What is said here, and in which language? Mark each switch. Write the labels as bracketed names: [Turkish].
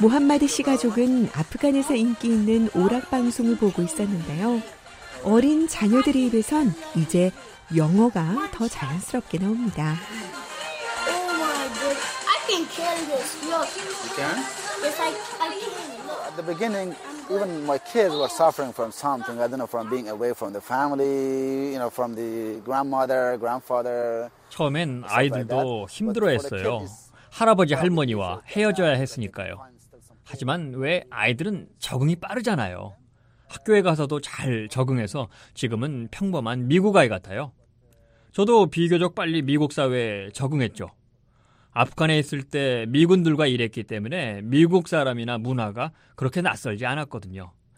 [Korean] 모함마드 씨 가족은 아프간에서 인기 있는 오락 방송을 보고 있었는데요. 어린 자녀들의 입에선 이제 영어가 더 자연스럽게 나옵니다. [English] Oh my God, I can carry this. Look. You can? Yes, I can. At the beginning, even my kids were suffering from something. I don't know, from being away from the family, you know, from the grandmother, grandfather. [Korean] 처음엔 아이들도 힘들어했어요. 할아버지, 할머니와 헤어져야 했으니까요. 하지만 왜 아이들은 적응이 빠르잖아요. 학교에 가서도 잘 적응해서 지금은 평범한 미국 아이 같아요. 저도 비교적 빨리 미국 사회에 적응했죠. 아프간에 있을 때 미군들과 일했기 때문에 미국 사람이나 문화가 그렇게 낯설지 않았거든요.